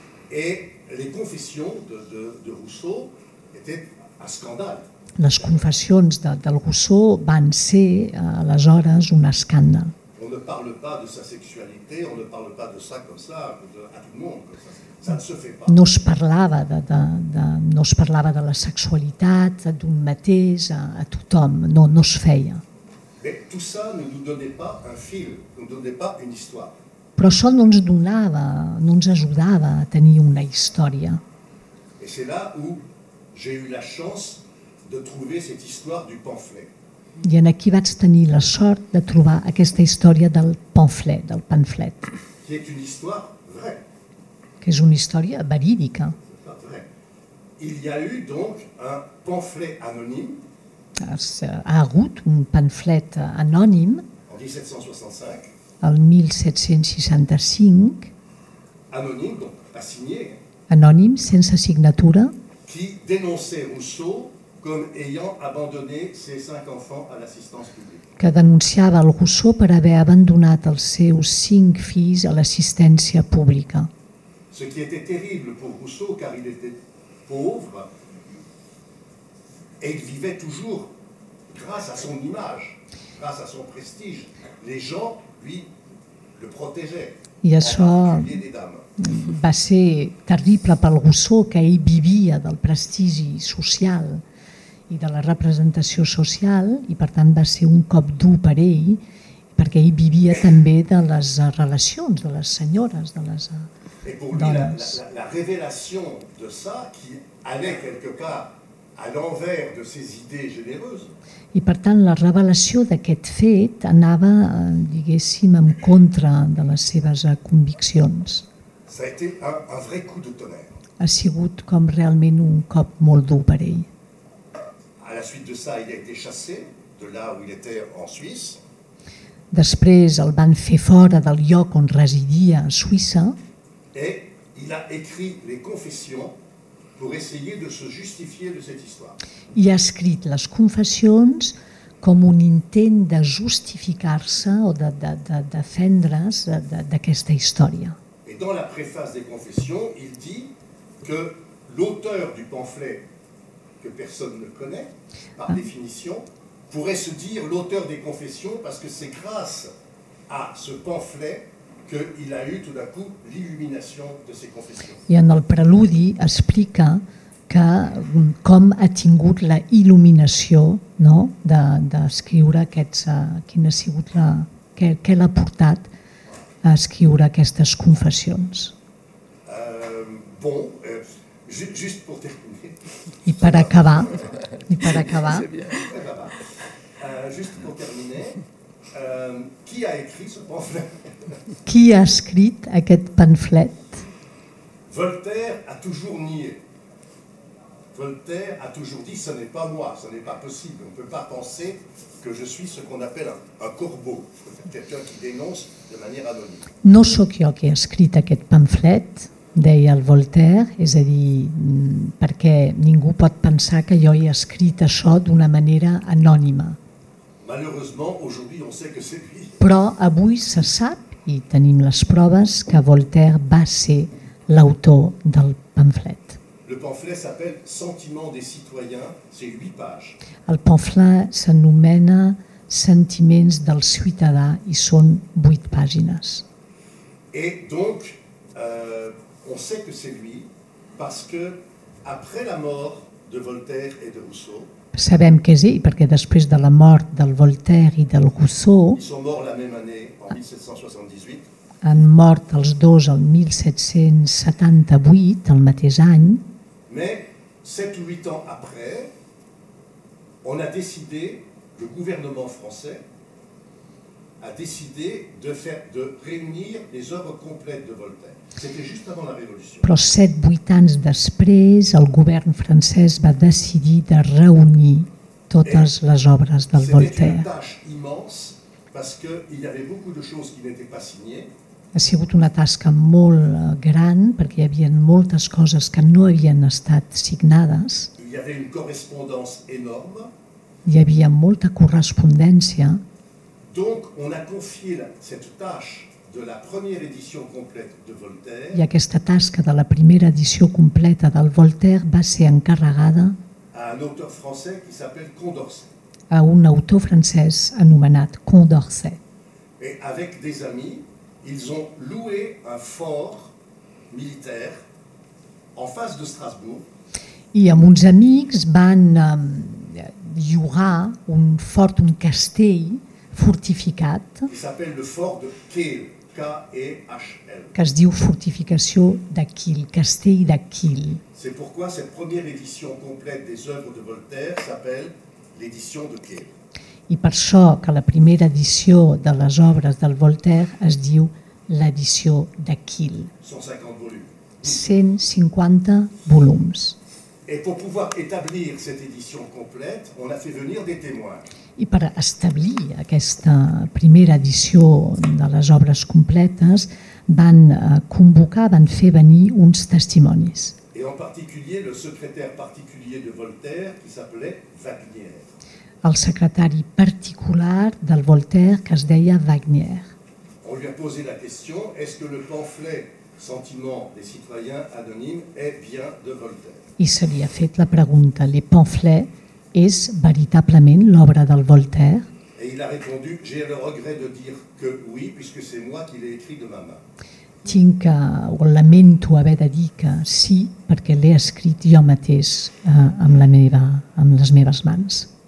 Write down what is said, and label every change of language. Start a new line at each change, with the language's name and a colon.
French: Et les confessions de Rousseau étaient un scandale.
Catalan: Les confessions del Rousseau van ser aleshores un escàndal.
French: On ne parle pas de sa sexualité, on ne parle pas de ça comme ça, à tout le monde. Ça ne se fait pas.
Catalan: No es parlava de la sexualitat d'un mateix a tothom, no es feia.
French: Mais tout ça ne nous donnait pas un fil, ne donnait pas une histoire.
Catalan: Però això no ens donava, no ens ajudava a tenir una història.
French: Et c'est là où j'ai eu la chance de trouver cette histoire du pamphlet.
Catalan: I en aquí vaig tenir la sort de trobar aquesta història del pamphlet, del pamflet.
French: Qui est une histoire vraie.
Catalan: Que és una història verídica.
French: Il y a eu donc un pamphlet anonyme.
Catalan: Ha hagut un pamflet anònim.
French: En 1765.
Catalan: El 1765.
French: Anonyme, donc pas signé.
Catalan: Anònim, sense signatura.
French: Qui dénonçait Rousseau comme ayant abandonné ses 5 enfants à l'assistance publique.
Catalan: Que denunciava el Rousseau per haver abandonat els seus 5 fills a l'assistència pública.
French: Ce qui était terrible pour Rousseau, car il était pauvre, et il vivait toujours grâce à son image, grâce à son prestige. Les gens, lui, le protégeaient.
Catalan: I això va ser terrible pel Rousseau, que ell vivia del prestigi social i de la representació social, i per tant va ser un cop dur per ell, perquè ell vivia també de les relacions, de les senyores, de les...
French: Et pour lui, la révélation de ça, qui allait quelque part à l'envers de ses idées généreuses.
Catalan: I per tant, la revelació d'aquest fet anava, diguéssim, en contra de les seves conviccions.
French: Ça a été un vrai coup de tonnerre.
Catalan: Ha sigut com realment un cop molt dur per ell.
French: À la suite de ça, il a été chassé de là où il était en Suisse.
Catalan: Després el van fer fora del lloc on residia a Suïssa.
French: Et il a écrit les confessions pour essayer de se justifier de cette histoire.
Catalan: I ha escrit les confessions com un intent de justificar-se o de defendre's d'aquesta història.
French: Et dans la préface des confessions, il dit que l'auteur du pamphlet que personne ne connaît, par définition, pourrait se dire l'auteur des confessions parce que c'est grâce à ce pamphlet qu'il a eu tout d'un coup l'illumination de ses confessions.
Catalan: I en el preludi explica que com ha tingut la il·luminació, no, d'escriure aquests, quin ha sigut la, què l'ha portat a escriure aquestes confessions.
French: Bon, juste pour terminer.
Catalan: I per acabar. I per acabar.
French: Just pour terminer,
Catalan: qui ha escrit
French: ce pamphlet?
Catalan: Qui ha escrit aquest pamphlet?
French: Voltaire a toujours nié. Voltaire a toujours dit, ce n'est pas moi, ce n'est pas possible. On ne peut pas penser que je suis ce qu'on appelle un corbeau, quelqu'un qui dénonce de manière anonyme.
Catalan: No sóc jo qui ha escrit aquest pamphlet, deia el Voltaire, és a dir, perquè ningú pot pensar que jo he escrit això d'una manera anònima.
French: Malheureusement, aujourd'hui, on sait que c'est lui.
Catalan: Però avui se sap, i tenim les proves, que Voltaire va ser l'autor del pamphlet.
French: Le pamphlet s'appelle Sentiment des citoyens, c'est 8 pages.
Catalan: El pamphlet s'anomena Sentiments del ciutadà i són 8 pàgines.
French: Et donc, on sait que c'est lui parce que après la mort de Voltaire et de Rousseau.
Catalan: Sabem que és ell perquè després de la mort del Voltaire i del Rousseau.
French: Ils sont morts la même année en 1778.
Catalan: Han mort els dos el 1778, el mateix any.
French: Mais 7 ou 8 ans après, on a décidé, le gouvernement français a décidé de réunir les œuvres complètes de Voltaire. C'était juste avant la révolution.
Catalan: Però 7-8 anys després, el govern francès va decidir de reunir totes les obres del Voltaire.
French: C'était une tâche immense parce que il y avait beaucoup de choses qui n'étaient pas signées.
Catalan: Ha sigut una tasca molt gran perquè hi havia moltes coses que no havien estat signades. Hi havia una correspondència enorme. Hi havia molta correspondència.
French: Donc on a confié cette tâche de la première édition complète de Voltaire.
Catalan: I aquesta tasca de la primera edició completa del Voltaire va ser encarregada a un autor francès
French: qui s'appelle
Catalan: Condorcet. A un autor francès anomenat Condorcet.
French: Et avec des amis, ils ont loué un fort militaire en face de Strasbourg.
Catalan: I amb uns amics van llogar un fort, un castell fortificat.
French: Qui s'appelle le fort de Kiel, K-E-H-L.
Catalan: Que es diu fortificació de Kiel, castell de Kiel.
French: C'est pourquoi cette première édition complète des œuvres de Voltaire s'appelle l'édition de Kiel.
Catalan: I per això que la primera edició de les obres del Voltaire es diu l'edició de Kiel. 150 volums. 150 volums.
French: Et pour pouvoir établir cette édition complète, on a fait venir des témoins.
Catalan: I per establir aquesta primera edició de les obres completes, van convocar, van fer venir uns testimonis.
French: Et en particulier le secrétaire particulier de Voltaire qui s'appelait Wagner.
Catalan: El secretari particular del Voltaire, que es deia Wagner.
French: On lui a posé la question, est-ce que le pamphlet Sentiment des citoyens anonymes est bien de Voltaire?
Catalan: I se li ha fet la pregunta, le pamphlet és veritablement l'obra del Voltaire?
French: Et il a répondu, j'ai le regret de dire que oui, puisque c'est moi qui l'ai écrit de ma main.
Catalan: Tinc que, o lamento haver de dir que sí, perquè l'he escrit jo mateix amb les meves mans.